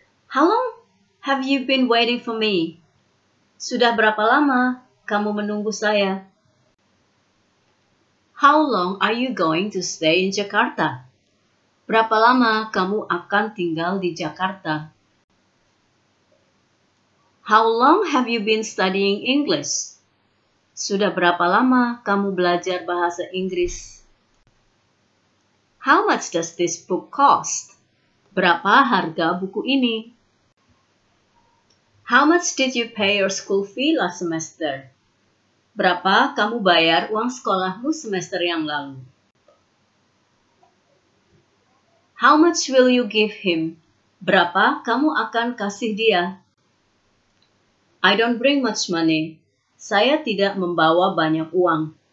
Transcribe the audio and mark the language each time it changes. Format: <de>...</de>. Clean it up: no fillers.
<en>How long have you been waiting for me?</en> <id>Sudah berapa lama kamu menunggu saya?</id> <en>How long are you going to stay in Jakarta?</en> <id>Berapa lama kamu akan tinggal di Jakarta?</id> <en>How long have you been studying English?</en> <id>Sudah berapa lama kamu belajar bahasa Inggris?</id> <en>How much does this book cost?</en> <id>Berapa harga buku ini?</id> <en>How much did you pay your school fee last semester?</en> <id>Berapa kamu bayar uang sekolahmu semester yang lalu?</id> <en>How much will you give him?</en> <id>Berapa kamu akan kasih dia?</id> <en>I don't bring much money.</en> <id>Saya tidak membawa banyak uang.</id>